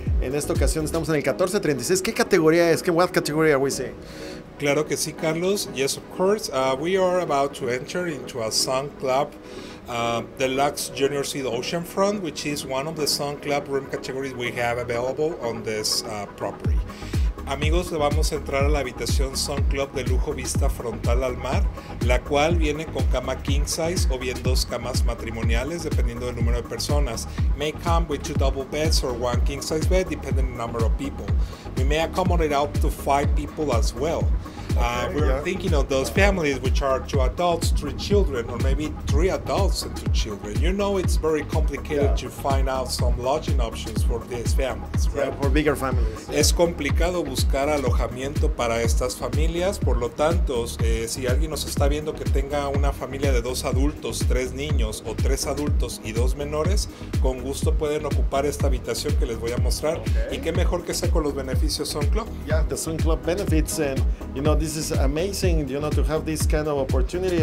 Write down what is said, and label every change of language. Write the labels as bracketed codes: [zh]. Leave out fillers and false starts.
[es] En esta ocasión estamos en el 1436. ¿Qué categoría es? [en] What category are we saying? [es] Claro que sí, Carlos. [en] Yes, of course. We are about to enter into a Sun Club Deluxe Junior Seat Oceanfront, which is one of the Sun Club room categories we have available on this property. [es] Amigos, le vamos a entrar a la habitación Sun Club de lujo vista frontal al mar, la cual viene con cama king size o bien dos camas matrimoniales dependiendo del número de personas. [en] May come with two double beds or one king size bed depending on the number of people. We may accommodate up to five people as well. Thinking of those families which are two adults, three children, or maybe three adults and two children. You know, it's very complicated to find out some lodging options for these families, right? For bigger families. [es] Es complicado buscar alojamiento para estas familias. Por lo tanto, si alguien nos está viendo que tenga una familia de dos adultos, tres niños, o tres adultos y dos menores, con gusto pueden ocupar esta habitación que les voy a mostrar. Okay. Y qué mejor que sea con los beneficios Sun Club. [en] Yeah, the Sun Club benefits and, you know, this is amazing, you know, to have this kind of opportunity.